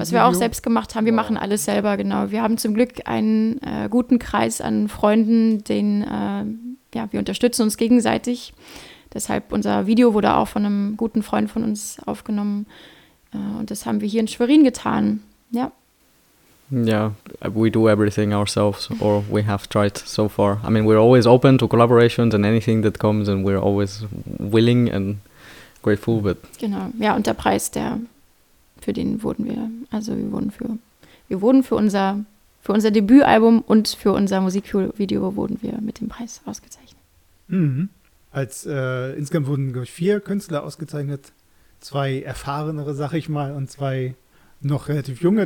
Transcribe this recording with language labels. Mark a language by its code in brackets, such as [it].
[de] Was wir auch selbst gemacht haben, wir machen alles selber, genau. Wir haben zum Glück einen guten Kreis an Freunden, den wir unterstützen uns gegenseitig. Deshalb unser Video wurde auch von einem guten Freund von uns aufgenommen und das haben wir hier in Schwerin getan, ja. [en] Yeah, we do everything ourselves, or we have tried so far. I mean, we're always open to collaborations and anything that comes, and we're always willing and grateful. But [de] genau, ja, und der Preis, der für den wurden wir, also wir wurden für unser Debütalbum und für unser Musikvideo wurden wir mit dem Preis ausgezeichnet. Als insgesamt wurden glaube ich 4 Künstler ausgezeichnet, 2 erfahrenere, sag ich mal, und 2 noch relativ junge.